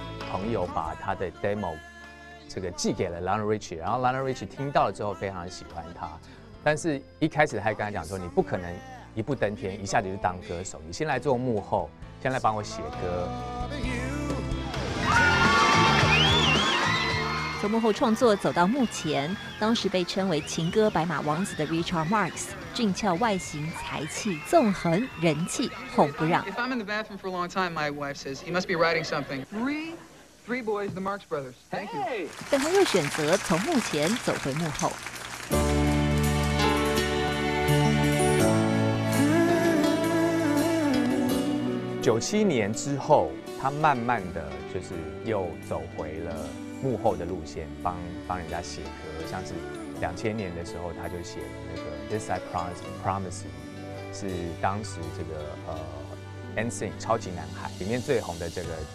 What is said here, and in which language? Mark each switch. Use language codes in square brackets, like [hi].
[zh] 朋友把他的 demo 这个寄给了 Lionel Richie， 然后 Lionel Richie 听到了之后非常喜欢他，但是一开始他跟他讲说，你不可能一步登天一下子就当歌手，你先来做幕后，先来帮我写歌。从幕后创作走到目前，当时被称为情歌白马王子的 Richard Marx， 俊俏外形、才气纵横、人气哄不让。 [en] If I'm in the bathroom for a long time, my wife says he must be writing something. Three boys, the Marx brothers. Thank you. [zh] 但他又选择从幕前走回幕后。 97年之后，他慢慢的就是又走回了幕后的路线，帮人家写歌，像是2000年的时候，他就写了那个《This I Promise》，是当时这个NSYNC 超级男孩里面最红的这个